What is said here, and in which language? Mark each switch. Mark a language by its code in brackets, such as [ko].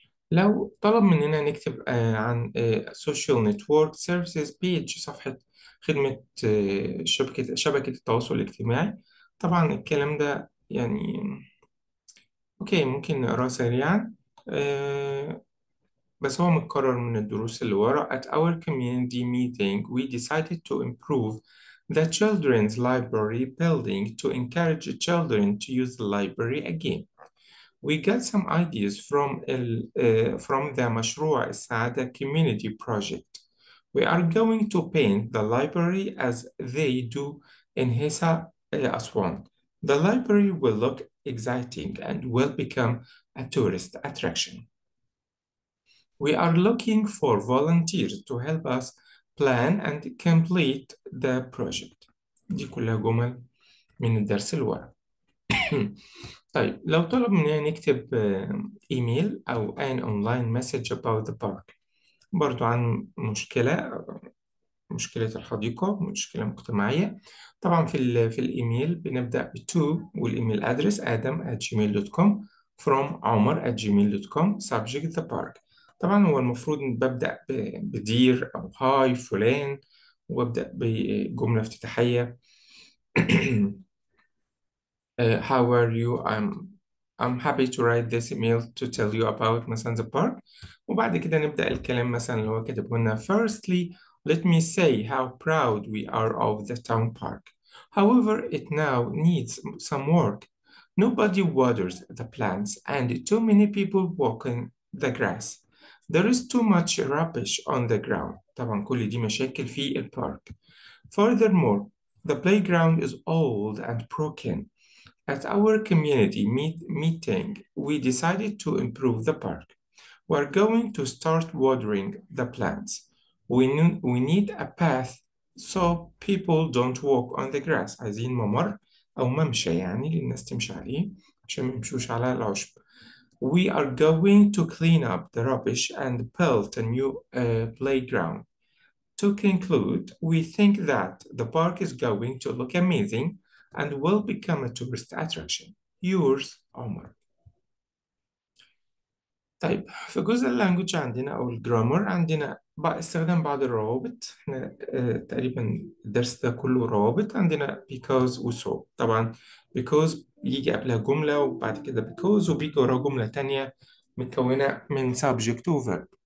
[ar] لو طلب مننا نكتب عن [en] social network services page، [ar] صفحة خدمة شبكة التواصل الاجتماعي، طبعا الكلام ده يعني اوكي ممكن نقراه سريعا، بس هو متكرر من الدروس اللي ورا. [en] At our community meeting we decided to improve the children's library building to encourage children to use the library again. We got some ideas from the مشروع السعادة community project. We are going to paint the library as they do in Hesa Aswan. The library will look exciting and will become a tourist attraction. We are looking for volunteers to help us plan and complete the project. [ar] دي كلها جمل من الدرس اللي ورا. طيب لو طلب مننا نكتب ايميل او [en] an online message about the park، [ar] برضو عن مشكلة الحديقة، مشكلة مجتمعية. طبعا في الايميل بنبدأ to، والايميل address adam@gmail.com، from عمر@gmail.com، subject the park. طبعا هو المفروض ببدأ بدير او هاي فلان، وابدأ بجملة افتتاحية. [en] How are you? I'm happy to write this email to tell you about مثلا the park. [ar] وبعد كده نبدأ الكلام مثلا اللي هو كاتبه لنا. [en] Firstly, let me say how proud we are of the town park. However, it now needs some work. Nobody waters the plants and too many people walk in the grass. There is too much rubbish on the ground. [ar] طبعا كل دي مشاكل في البارك. [en] Furthermore, the playground is old and broken. At our community meeting, we decided to improve the park. We're going to start watering the plants. We need a path so people don't walk on the grass. [ar] عايزين ممر أو ممشى يعني للناس تمشي عليه عشان ما يمشوش على العشب. [en] We are going to clean up the rubbish and build a new playground. To conclude, we think that the park is going to look amazing and will become a tourist attraction. Yours, Omar. [ar] طيب في جزء اللانجوج عندنا او الجرامر عندنا استخدام بعض الروابط. احنا تقريبا الدرس ده كله روابط. عندنا because و so، طبعا because يجي قبلها جملة وبعد كده because، وبيجي وراها جملة تانية متكونة من subject و verb.